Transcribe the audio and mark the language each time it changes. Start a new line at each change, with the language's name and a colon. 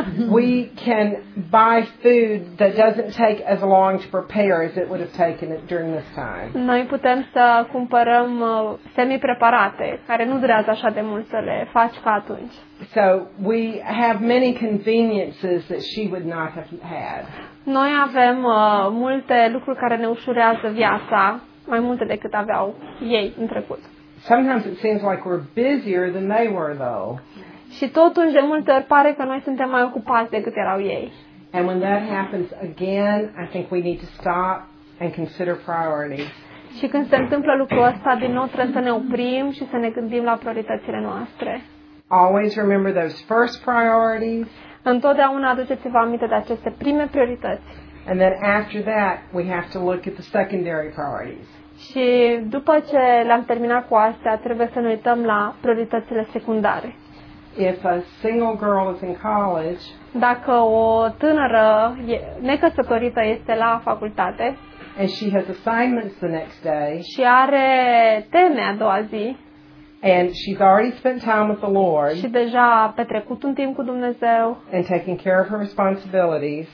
English: We can buy food that doesn't take as long to prepare as it would have taken it during this time.
Romanian: Noi putem să cumpărăm semi-preparate care nu durează așa de mult să le faci ca atunci.
English: So we have many conveniences that she would not have had.
Romanian: Noi avem multe lucruri care ne ușurează viața, mai multe decât aveau ei în trecut.
English: Sometimes it seems like we're busier than they were, though.
Romanian: Și totuși, de multe ori pare că noi suntem mai ocupați decât erau ei.
English: And when that happens again, I think we need to stop and consider priorities.
Romanian: Și când se întâmplă lucrul ăsta, din nou trebuie să ne oprim și să ne gândim la prioritățile noastre.
English: Always remember those first priorities.
Romanian: Întotdeauna aduceți-vă aminte de aceste prime priorități.
English: And then after that, we have to look at the secondary priorities.
Romanian: Și după ce le-am terminat cu astea, trebuie să ne uităm la prioritățile secundare.
English: If a single girl is in college,
Romanian: dacă o tânără necăsătorită este la facultate
English: and she has assignments the next day,
Romanian: și are teme a doua zi
English: and she's already spent time with the Lord,
Romanian: și deja a petrecut un timp cu Dumnezeu
English: and taking care of her responsibilities,